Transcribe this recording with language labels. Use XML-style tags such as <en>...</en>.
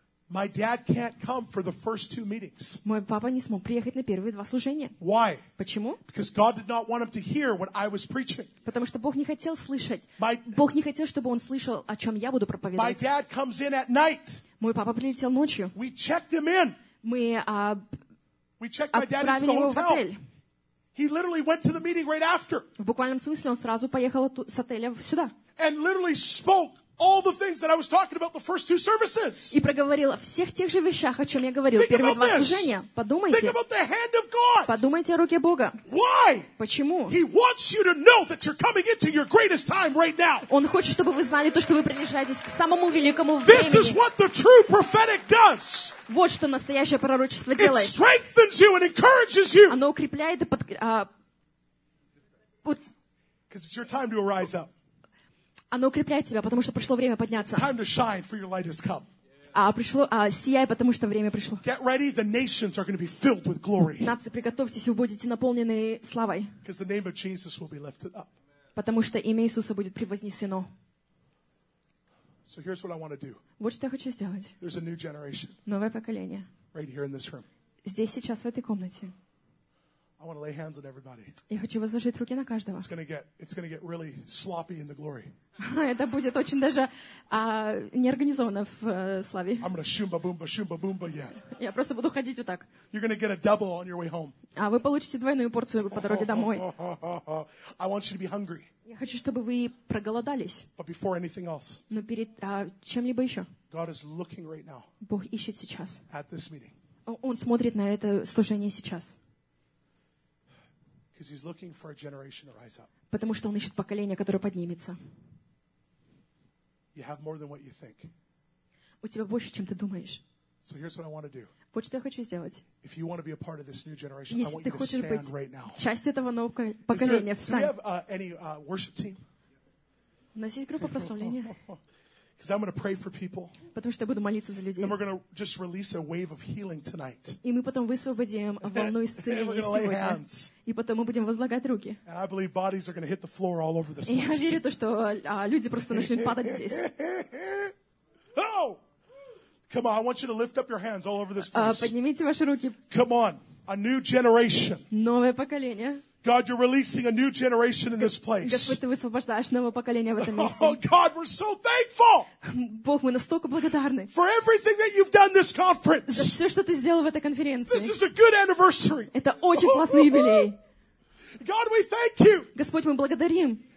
<en>My dad can't come for the first two meetings.</en> <ru>Мой папа не смог приехать на первые два служения.</ru> <en>Why?</en> <ru>Почему?</ru> <en>Because God did not want him to hear what I was preaching.</en> <ru>Потому что Бог не хотел слышать. Бог не хотел, чтобы он слышал, о чем я буду проповедовать.</ru> <en>My dad comes in at night.</en> <ru>Мой папа прилетел ночью.</ru> <en>We checked him in.</en> <ru>Мы отправили его в отель.</ru> <en>He literally went to the meeting right after.</en> <ru>В буквальном смысле он сразу поехал с отеля сюда.</ru> <en>And literally spoke all the things that I was talking about the first two services.</en> <ru>И проговорил о всех тех же вещах, о чём я говорил в первые два служения. Подумайте.</ru> <en>Think about the hand of God.</en> <ru>Подумайте о руке Бога.</ru> <en>Why?</en> <ru>Почему?</ru> <en>He wants you to know that you're coming into your greatest time right now.</en> <ru>Он хочет, чтобы вы знали то, что вы приближаетесь к самому великому времени.</ru> <en>This is what the true prophetic does.</en> <ru>Вот что настоящее пророчество делает.</ru> <en>It strengthens you and encourages you.</en> <ru>Оно укрепляет и под</ru> <en>Because it's your time to rise up.</en> <ru>Оно укрепляет тебя, потому что пришло время подняться.</ru> <en>It's time to shine, for your light has come.</en> <ru>Сияй, потому что время пришло.</ru> <en>Get ready, the nations are going to be filled with glory.</en> <ru>Нации, приготовьтесь, вы будете наполнены славой.</ru> <en>Because the name of Jesus will be lifted up.</en> <ru>Потому что имя Иисуса будет превознесено.</ru> <en>So here's what I want to do.</en> <ru>Вот что я хочу сделать.</ru> <en>There's a new generation.</en> <ru>Новое поколение.</ru> <en>Right here in this room.</en> <ru>Здесь сейчас, в этой комнате.</ru> <en>I want to lay hands on everybody.</en> <ru>Я хочу возложить руки на каждого.</ru> <en>It's going to get really sloppy in the glory.</en> <ru>Это будет очень даже неорганизованно в славе.</ru> <en>I'm going to shumba-boomba, yeah.</en> <ru>Я просто буду ходить вот так.</ru> <en>You're going to get a double on your way home.</en> <ru>А вы получите двойную порцию по дороге домой.</ru> <en>I want you to be hungry.</en> <ru>Я хочу, чтобы вы проголодались.</ru> <en>But before anything else.</en> <ru>Но перед чем-либо еще.</ru> <en>God is looking right now.</en> <ru>Бог ищет сейчас.</ru> <en>At this meeting.</en> <ru>Он смотрит на это служение сейчас.</ru> <en>Because he's looking for a generation to rise up.</en> <ru>Потому что он ищет поколение, которое поднимется.</ru> <en>You have more than what you think.</en> <ru>У тебя больше, чем ты думаешь.</ru> <en>So here's what I want to do.</en> <ru>Вот что я хочу сделать.</ru> <en>If you want to be a part of this new generation, I want you to stand right now.</en> <ru>Частью этого нового поколения, встань.</ru> <en>Do we have any worship team?</en> <ru>У нас есть группа прославления.</ru> <en>Because I'm going to pray for people.</en> <ru>Потому что я буду молиться за людей.</ru> <en>And we're going to just release a wave of healing tonight.</en> <ru>И мы потом высвободим волну исцеления сегодня. И потом мы будем возлагать руки.</ru> <en>And I believe bodies are going to hit the floor all over this place.</en> <ru>И я верю то, что люди просто начнут падать здесь. Oh!</ru> <en>Come on, I want you to lift up your hands all over this place.</en> <ru>Поднимите ваши руки.</ru> <en>Come on, a new generation.</en> <ru>Новое поколение.</ru> <en>God, you're releasing a new generation in this place.</en> <ru>Господь, ты высвобождаешь новое поколение в этом месте.</ru> <en>Oh God, we're so thankful.</en> <ru>Бог, мы настолько благодарны.</ru> <en>For everything that you've done this conference.</en> <ru>За все, что ты сделал в этой конференции.</ru> <en>This is a good anniversary.</en> <ru>Это очень классный юбилей.</ru> <en>God, we thank you.</en> <ru>Господь, мы благодарим.</ru>